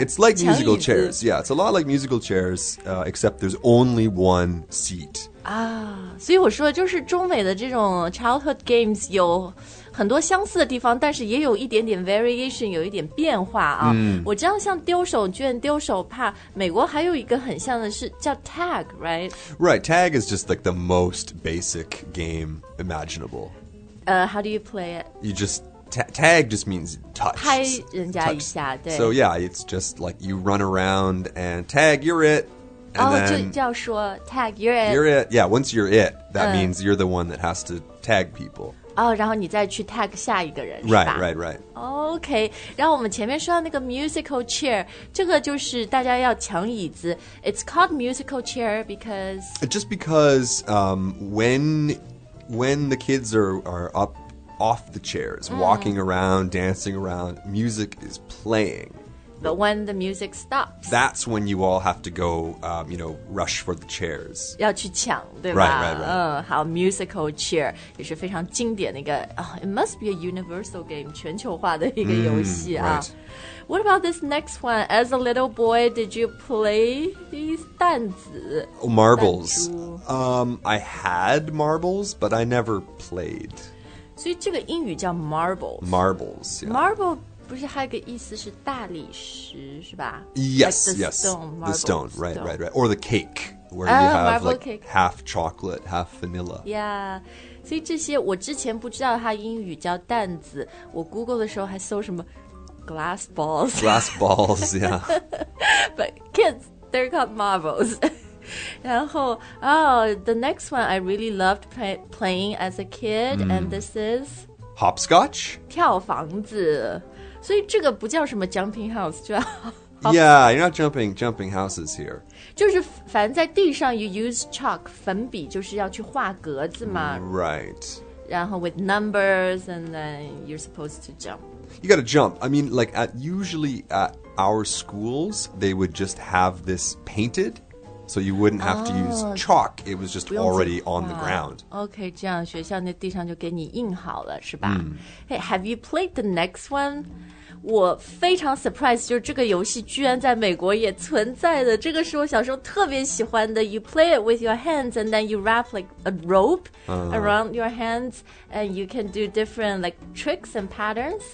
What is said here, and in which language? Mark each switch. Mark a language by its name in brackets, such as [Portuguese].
[English] It's like musical chairs, yeah. It's a lot like musical chairs, except there's only one seat. [Chinese] 啊，所以我说就是中美的这种 childhood games 有很多相似的地方，但是也有一点点 variation, 有一点变化啊。我知道像丢手绢、丢手帕，美国还有一个很像的是叫 tag, right? [English] Right, tag is just like the most basic game imaginable. How do you play it? You just... Tag just means touch. [Chinese] 拍人家一下 touch. 对 [English] So yeah, it's just like you run around and tag, you're it. And then, [Chinese] 就要说 [English] tag, you're it. You're it. Yeah, once you're it, that means you're the one that has to tag people. [Chinese] 然后你再去 tag 下一个人 [English] Right, right, right. [Chinese] OK, 然后我们前面说到那个 musical chair, 这个就是大家要抢椅子 [English] It's called musical chair because... Just because when the kids are up,off the chairs, walking around, dancing around, music is playing. But when the music stops, that's when you all have to go, you know, rush for the chairs. [Chinese] 要去抢，对吧？好 musical chair 也是非常经典的一个、 [English] It must be a universal game, [Chinese] 全球化的一个游戏啊。 [English] Right. What about this next one? As a little boy, did you play these 弹子 Oh, marbles. I had marbles, but I never played. [Chinese] 所以这个英语叫 marbles. [English] Marbles, yeah. Marble. [Chinese] 不是还有个意思是大理石是吧 [English] Yes, like the stone, yes, the stone, stone, right, right, right. Or the cake, where you have like、 cake. half chocolate, half vanilla. [Chinese] Yeah, 所以这些我之前不知道它英语叫弹子，我 Google 的时候还搜什么 glass balls. [English] Glass balls, yeah. But kids, they're called marbles. [Chinese] 然后 [English] the next one I really loved playing as a kid,、and this is? Hopscotch? [Chinese] 跳房子。所以这个不叫什么 jumping house, 就 [English] Yeah, you're not jumping houses here. [Chinese] 就是反正在地上 [English] you use chalk, [Chinese] 粉笔就是要去画格子嘛。 [English] Right. [Chinese] 然后 [English] with numbers, and then you're supposed to jump. You gotta jump. I mean, like, usually at our schools, they would just have this painted, so you wouldn't have to use chalk. It was just already on the ground. [Chinese] Okay, 这样学校那地上就给你印好了是吧、 [English] Hey, have you played the next one? [Chinese] 我非常 surprised, 就是这个游戏居然在美国也存在的。这个是我小时候特别喜欢的。 [English] You play it with your hands, and then you wrap like a rope around your hands, and you can do different like tricks and patterns.